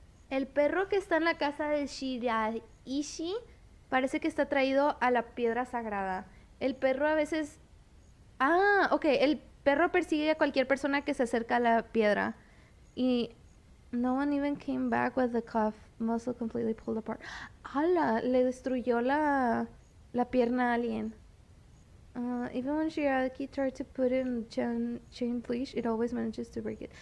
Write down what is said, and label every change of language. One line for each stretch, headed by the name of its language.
Spanish: El perro que está en la casa de Shiraishi parece que está atraído a la piedra sagrada. El perro a veces... Ah, ok. El perro persigue a cualquier persona que se acerca a la piedra. Y...
English: No one even came back with the cuff. Muscle completely pulled apart.
Spanish: ¡Hala! Le destruyó la pierna a alguien.
English: Even when Shiraki tried to put it in chain leash, it always manages to break it.